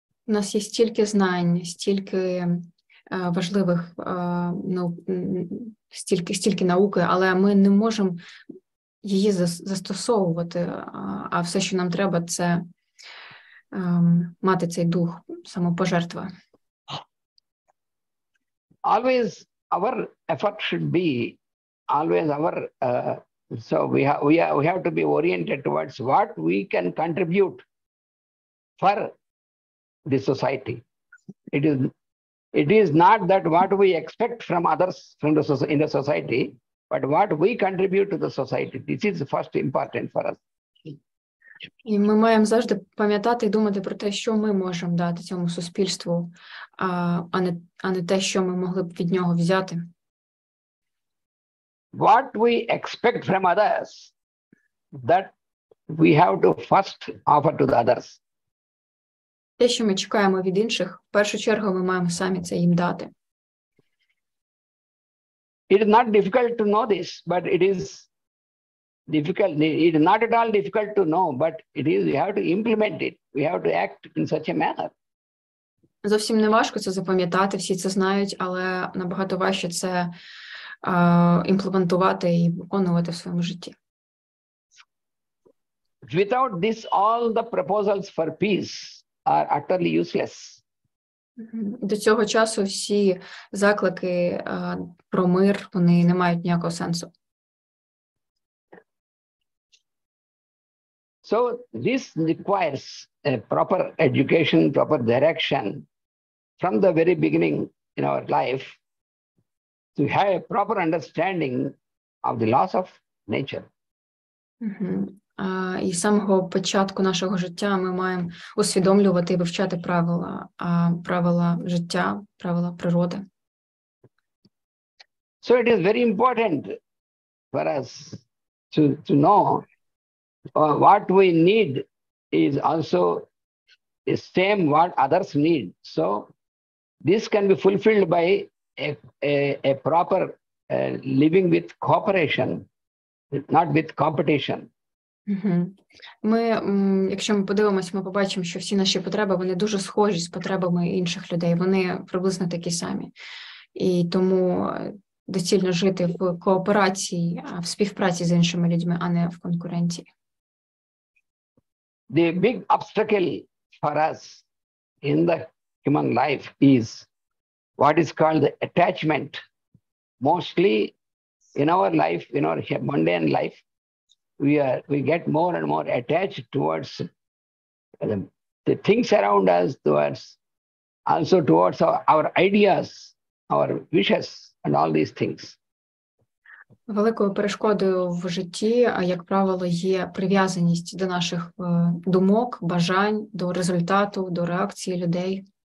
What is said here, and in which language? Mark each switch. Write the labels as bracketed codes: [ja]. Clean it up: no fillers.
[uk] У нас є стільки знань, стільки важливих, ну, стільки науки, але ми не можемо її застосовувати, а все, що нам треба, це мати цей дух самопожертви. [en] Always our effort should be always our so we have to be oriented towards what we can contribute for the society. It is not that what we expect from others in the society, but what we contribute to the society. This is first important for us. [uk] І ми маємо завжди пам'ятати і думати про те, що ми можемо дати цьому суспільству, а не те, що ми могли б від нього взяти. [en] What we expect from others, that we have to first offer to the others. [uk] Те, що ми чекаємо від інших, в першу чергу ми маємо самі це їм дати. [en] It is not difficult to know this, but it is difficult. It is not at all difficult to know, but it is, we have to implement it. We have to act in such a manner. [uk] Зовсім не важко це запам'ятати, всі це знають, але набагато важче це імплементувати і виконувати в своєму житті. [en] Without this, all the proposals for peace are utterly useless. [uk] До цього часу всі заклики про мир, вони не мають ніякого сенсу. [en] So this requires a proper education, proper direction from the very beginning in our life to have a proper understanding of the laws of nature. [uk] І з самого початку нашого життя ми маємо усвідомлювати і вивчати правила життя, правила природи. [en] So it is very important for us to know what we need is also the same what others need. So this can be fulfilled by a proper living with cooperation, not with competition. [uk] Ми, якщо ми подивимось, ми побачимо, що всі наші потреби, вони дуже схожі з потребами інших людей. Вони приблизно такі самі. І тому доцільно жити в кооперації, в співпраці з іншими людьми, а не в конкуренції. [en] The big obstacle for us in the human life is what is called the attachment. Mostly in our life, in our mundane life, we get more and more attached towards the things around us, towards also towards our ideas, our wishes, and all these things. [uk] Великою перешкодою в житті, як правило, є прив'язаність до наших думок, бажань, до результату, до реакції людей.